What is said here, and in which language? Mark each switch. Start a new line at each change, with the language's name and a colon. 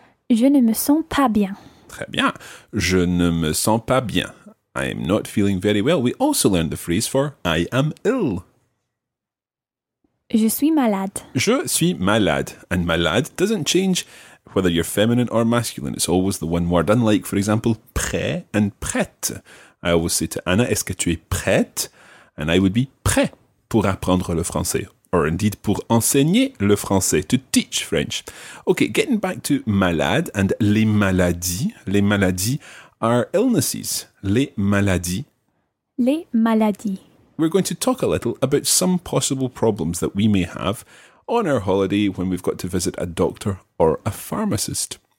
French: Je ne me sens pas bien. Très bien. Je ne me sens pas bien.
English: I am not feeling very well. We also learned the phrase for, I am ill.
French: Je suis malade. Je suis malade.
English: And malade doesn't change whether you're feminine or masculine. It's always the one word. Unlike, for example, prêt and prête. I always say to Anna,
French: est-ce que tu es prête?
English: And I would be prêt.
French: Pour apprendre le français,
English: or indeed
French: pour enseigner le français,
English: to teach French. Okay, getting back to malade and les maladies are illnesses.
French: Les maladies. Les maladies.
English: We're going to talk a little about some possible problems that we may have on our holiday when we've got to visit a doctor or a pharmacist.